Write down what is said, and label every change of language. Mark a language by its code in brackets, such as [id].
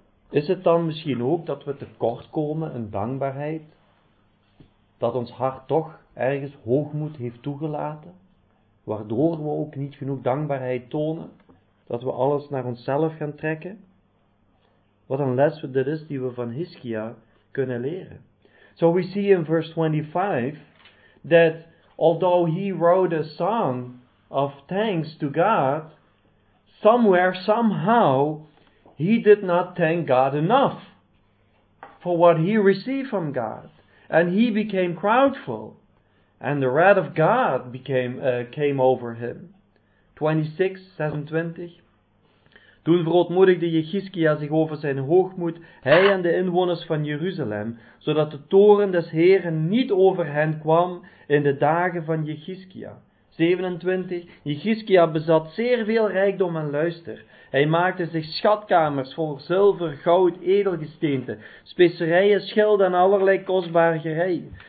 [nl] Is het dan misschien ook dat we tekortkomen in dankbaarheid? Dat ons hart toch ergens hoogmoed heeft toegelaten? Waardoor we ook niet genoeg dankbaarheid tonen? Dat we alles naar onszelf gaan trekken? Wat een les dit is die we van Hiskia kunnen leren. [en] So we see in verse 25 that although he wrote a song of thanks to God, somewhere, somehow, he did not thank God enough for what he received from God. And he became proudful, and the wrath of God came over him. 26:26. [nl] Toen verootmoedigde Hiskia zich over zijn hoogmoed, hij en de inwoners van Jeruzalem, zodat de toren des Heren niet over hen kwam in de dagen van Hiskia. 27. Hiskia bezat zeer veel rijkdom en luister. Hij maakte zich schatkamers vol zilver, goud, edelgesteente, specerijen, schilden en allerlei kostbare gereien.